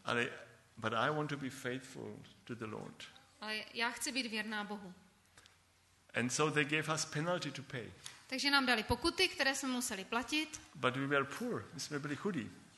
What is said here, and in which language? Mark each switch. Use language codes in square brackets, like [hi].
[en] Ale but I want to be faithful to the Lord. [cs] Ale já chci být věrná Bohu. [en] And so they gave us penalty to pay. [cs] Takže nám dali pokuty, které jsme museli platit. [en] But we were poor, [cs] my jsme byli chudí.